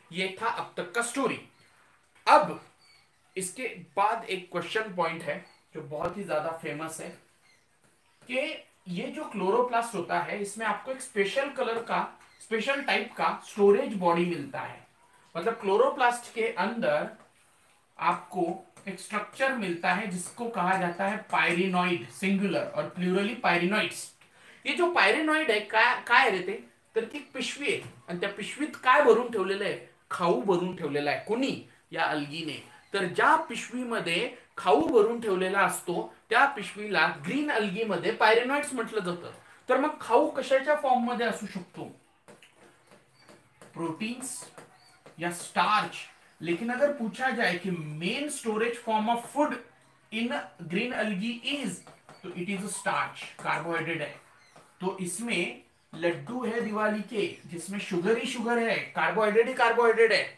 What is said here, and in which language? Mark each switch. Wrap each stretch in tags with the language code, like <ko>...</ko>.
<hi>ये था अब तक का स्टोरी। अब इसके बाद एक क्वेश्चन पॉइंट है जो बहुत ही ज्यादा फेमस है कि ये जो क्लोरोप्लास्ट होता है इसमें आपको एक स्पेशल कलर का, स्पेशल टाइप का स्टोरेज बॉडी मिलता है। मतलब क्लोरोप्लास्ट के अंदर आपको एक स्ट्रक्चर मिलता है जिसको कहा जाता है पायरिनोइड, सिंगुलर और प्लूरली पायरिनोइड्स। ये जो पायरिनोइड है</hi> <mr>काय रहते तर ती पिशवी आहे, आणि त्या पिशवीत काय भरून ठेवलेलं आहे? खाऊ भरून ठेवलेला आहे। कोणी? या अल्गीने। तर ज्या पिशवीमध्ये खाऊ भरून ठेवलेला असतो त्या पिशवीला ग्रीन अल्गीमध्ये पायरेनॉइड्स म्हटलं जातं। तर मग खाऊ कशाच्या फॉर्म मध्ये असू शकतो?</mr> <hi>प्रोटीन्स या स्टार्च। लेकिन अगर पूछा जाए कि</hi> <en>main storage form of food in green algae is,</en> <hi>तो</hi> <en>it is a starch,</en> <hi>carbohydrate है। तो इसमें लड्डू है दिवाली के जिसमें शुगर ही शुगर है, कार्बोहाइड्रेट ही कार्बोहाइड्रेट है।</hi>